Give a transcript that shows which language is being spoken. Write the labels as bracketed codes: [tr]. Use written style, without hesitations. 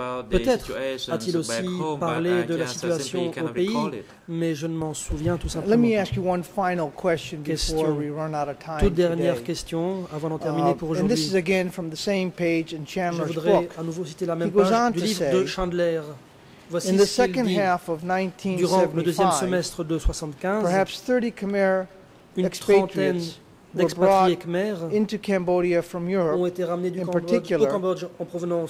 [fr] Peut-être a-t-il aussi parlé de la situation au pays, mais je ne m'en souviens tout simplement. [en] Let me ask you one final question before we run out of time. [fr] Toute dernière question avant d'en terminer pour aujourd'hui. [en] And this is again from the same page in Chandler's book. [fr] Je voudrais à nouveau citer la même page du livre de Chandler. Voici [en] in the second half of 1975, [fr] durant le deuxième semestre de 75, [en] perhaps 30 Khmer expatriates. [fr] D'expatriés Khmer [en] into Cambodia from Europe, [fr] ont été ramenés du Cambodge en provenance